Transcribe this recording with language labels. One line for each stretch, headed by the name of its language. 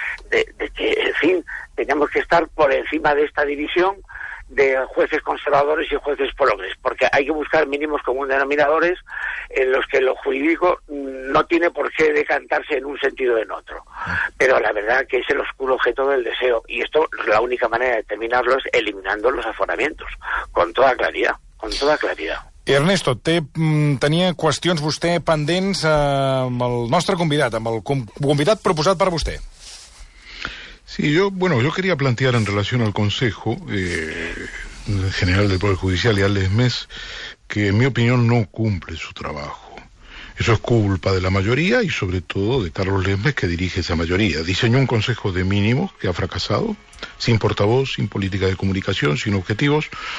Spanish: de que, en fin, teníamos que estar por encima de esta división de jueces conservadores y jueces progres, porque hay que buscar mínimos comunes denominadores en los que lo jurídico no tiene por qué decantarse en un sentido o en otro. Pero la verdad que es el oscuro objeto del deseo, y esto, la única manera de terminarlo es eliminando los aforamientos, con toda claridad.
Catalan: Ernesto, tenia qüestions vostè pendents amb el nostre convidat, amb el convidat proposat per vostè.
Spanish: Sí, yo quería plantear en relación al Consejo General del Poder Judicial y al ESMES que, en mi opinión, no cumple su trabajo. Eso es culpa de la mayoría y, sobre todo, de Carlos Lesmes, que dirige esa mayoría. Diseñó un Consejo de mínimos que ha fracasado, sin portavoz, sin política de comunicación, sin objetivos.